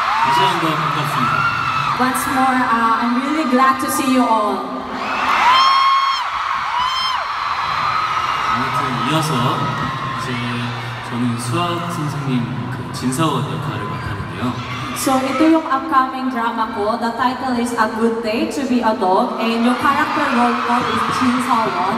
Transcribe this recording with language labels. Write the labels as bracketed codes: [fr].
[en] Once more, I'm really glad to see you all. [ko] 아무튼 이어서 이제 저는 수학 선생님 그 진사원 역할을 맡았는데요. [tl] So, ito yung [en] upcoming drama [tl] ko. [en] The title is A Good Day to Be a Dog, and your character role ko is 진사원.